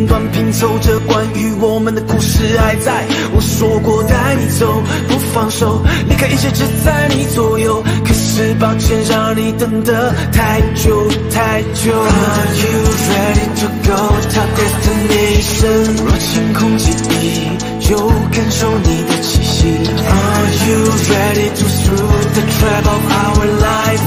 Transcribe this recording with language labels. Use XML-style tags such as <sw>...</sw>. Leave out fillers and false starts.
<zh>拼凑着关于我们的故事还在。我说过带你走不放手，离开一切只在你左右，可是抱歉让你等得太久太久。</zh> <en>Are you ready to go to destination？</en> <zh>若清空记忆就感受你的气息。</zh> <en>Are you ready to through the trouble of our life？</en>